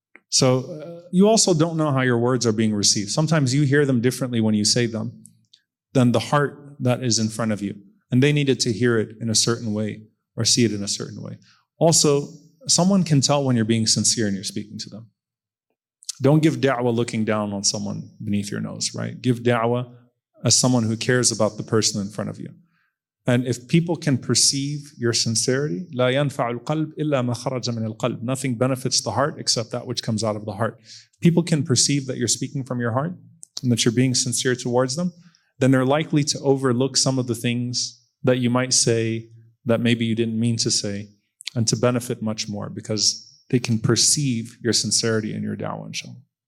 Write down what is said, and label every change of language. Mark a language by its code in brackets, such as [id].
[en] So you also don't know how your words are being received. Sometimes you hear them differently when you say them than the heart that is in front of you. And they needed to hear it in a certain way or see it in a certain way. Also, someone can tell when you're being sincere and you're speaking to them. Don't give da'wah looking down on someone beneath your nose, right? Give da'wah as someone who cares about the person in front of you. And if people can perceive your sincerity, [ar] لا ينفع القلب إلا ما خرج من القلب. [en] Nothing benefits the heart except that which comes out of the heart. People can perceive that you're speaking from your heart and that you're being sincere towards them, then they're likely to overlook some of the things that you might say that maybe you didn't mean to say, and to benefit much more because they can perceive your sincerity and your da'wah, inshallah.